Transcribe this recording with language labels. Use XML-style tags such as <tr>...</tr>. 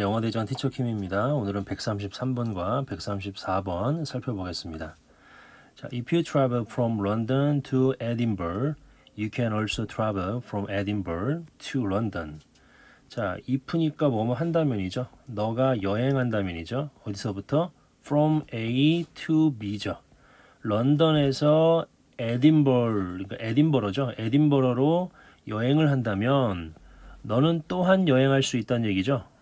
<ko>영화대전 티처캠입니다. 오늘은 133번과 134번 살펴보겠습니다. 자,</ko> <en>If you travel from London to Edinburgh, you can also travel from Edinburgh to London.</en> <ko>자,</ko> <en>if</en> <ko>니까 뭐뭐 한다면이죠. 너가 여행한다면이죠. 어디서부터?</ko> <en>From A to B</en> <ko>죠. 런던에서 에딘버러, 그러니까 에딘버러죠. 에딘버러로 여행을 한다면 너는 또한 여행할 수 있다는 얘기죠.</ko>